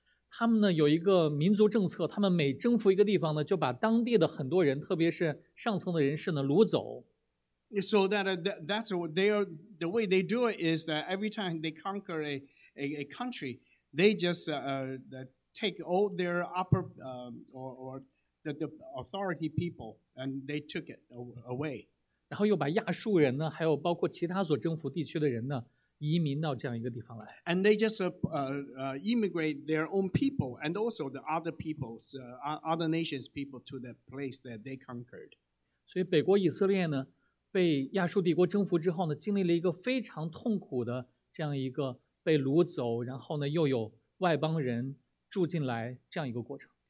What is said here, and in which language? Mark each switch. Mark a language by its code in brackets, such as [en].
[zh] 他们呢有一个民族政策，他们每征服一个地方呢，就把当地的很多人，特别是上层的人士呢掳走。 [en] So that's what the way they do it is that every time they conquer a country, they just take all their upper or the authority people. And they took it away. [zh] 然后又把亚述人呢，还有包括其他所征服地区的人呢，移民到这样一个地方来。 [en] And they just immigrate their own people and also the other peoples, other nations' people to the place that they conquered. [zh] 所以北国以色列呢，被亚述帝国征服之后呢，经历了一个非常痛苦的这样一个被掳走，然后呢又有外邦人住进来这样一个过程。